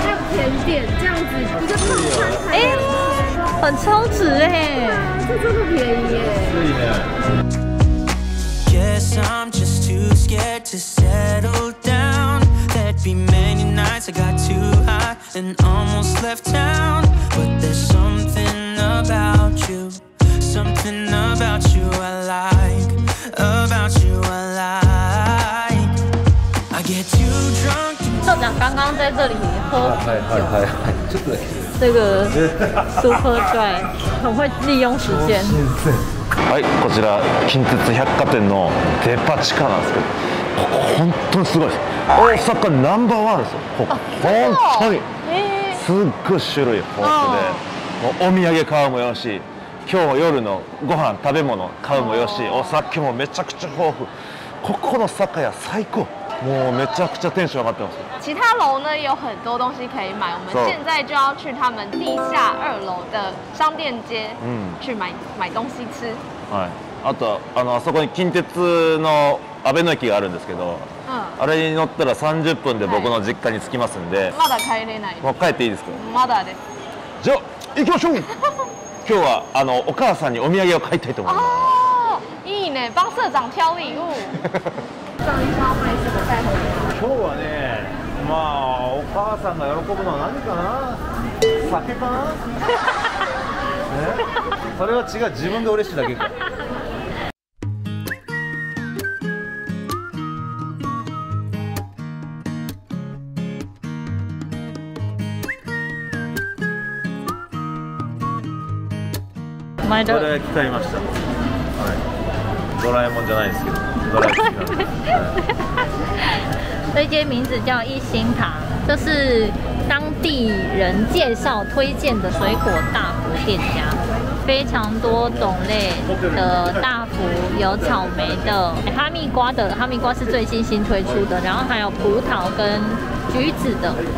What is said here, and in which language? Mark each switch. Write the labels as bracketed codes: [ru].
[zh] 甜点这样子，一个套餐才很超值哎、啊，这真的便宜耶。是耶。 [en] Guess I'm just too scared to settle down. There'd be many nights I got too high and almost left town. But there's something about you, something about you I like, about you I like. I get too drunk. [zh] 社长刚刚在这里喝酒，这个 super dry 很会利用时间。 [ja] はい、こちら近鉄百貨店のデパ地下なんですけど、ここ本当にすごいです。大阪ナンバーワンですよ、ここ本当に。すっごい種類豊富で、お土産買うもよし、今日夜のご飯食べ物買うもよし、お酒もめちゃくちゃ豊富。ここの酒屋最高、もうめちゃくちゃテンション上がってます。 [zh] 其他楼呢有很多东西可以买，我们现在就要去他们地下二楼的商店街去买买东西吃。 [ja] はい。あとあそこに近鉄の阿倍野駅があるんですけど、あれに乗ったら30分で僕の実家に着きますんで。まだ帰れない。もう帰っていいですか？まだです。じゃあ行きましょう。今日はお母さんにお土産を買いたいと思います。いいね、 [zh] 帮社长挑礼物。上一家卖什么带回 [ja] 来？今日はね。まあお母さんが喜ぶのは何かな、酒かな。それは違う、自分で嬉しいだけか。これ使いました。はい、ドラえもんじゃないですけど、ドラえもん。 [zh] 这间名字叫一心堂，这是当地人介绍推荐的水果大福店家，非常多种类的大福，有草莓的、哈密瓜的，哈密瓜是最新推出的，然后还有葡萄跟橘子的。